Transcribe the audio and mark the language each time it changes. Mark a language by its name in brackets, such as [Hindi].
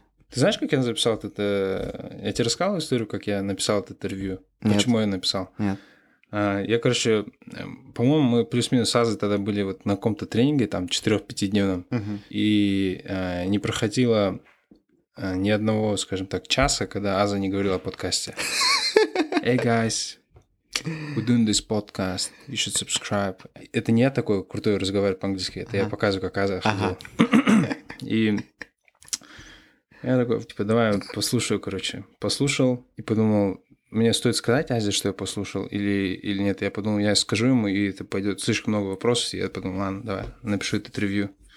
[Russian] Ты знаешь, как я записал этот... Я тебе рассказал историю, как я написал этот ревью? Нет. Почему я написал? Нет. Я, короче, по-моему, мы плюс-минус с Азой тогда были вот на каком-то тренинге, там, 4-5-дневном, и не проходило... ни одного, скажем так, часа, когда Аза не говорил о подкасте. [English] Hey guys, we're doing this podcast, you should subscribe. [Russian] Это не я такой крутой разговариваю по-английски, это я показываю, как Аза ходил. И я такой, типа, давай послушаю, короче. Послушал и подумал, мне стоит сказать Азе, что я послушал или нет. Я подумал, я скажу ему, и это пойдет слишком много вопросов. И я подумал, ладно, давай, напишу этот ревью.